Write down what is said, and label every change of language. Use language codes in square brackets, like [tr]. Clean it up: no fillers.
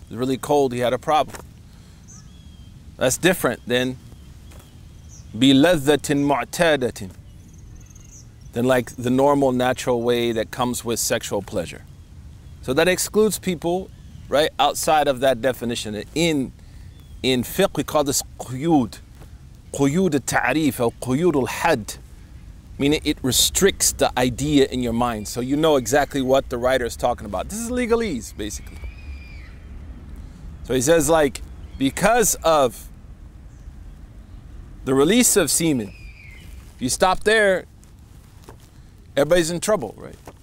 [en] It was really cold. He had a problem. That's different than [ar] بِلَذَّةٍ مُعْتَادَةٍ [en] than like the normal natural way that comes with sexual pleasure. So that excludes people, right, outside of that definition. In fiqh, we call this [ar] قُيُود. قُيُود التَّعْرِيف [en] or [ar] قُيُود الْحَد. [en] Meaning it restricts the idea in your mind. So you know exactly what the writer is talking about. This is legalese, basically. So he says like, because of the release of semen, if you stop there, everybody's in trouble, right?